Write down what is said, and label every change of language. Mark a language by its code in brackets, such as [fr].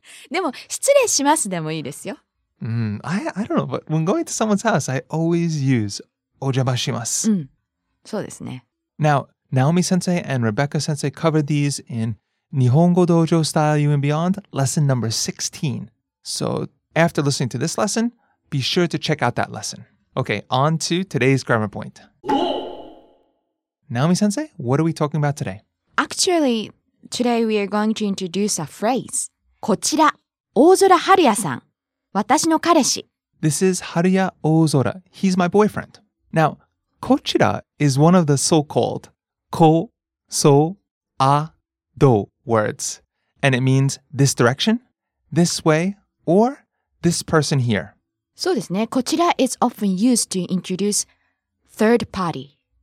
[ja] でも、失礼しますでもいいですよ。 [en] I don't know, but when going to someone's house, I always use お邪魔します。 [ja] そうですね。 [en] Now, Naomi-sensei and Rebecca-sensei covered these in Nihongo Dojo Style You and Beyond, lesson number 16. So after listening to this lesson, be sure to check out that lesson. Okay, on to today's grammar point. Naomi-sensei, what are we talking about today? Actually, today we are going to introduce a phrase. [ja] こちら、大空春也さん、私の彼氏。 [en] This is Haruya Ozora. He's my boyfriend. Now, こちら is one of the so-called こ、そ、あ、ど words, and it means this direction, this way, or this person here. [ja] そうですね。 [en] こちら is often used to introduce third party.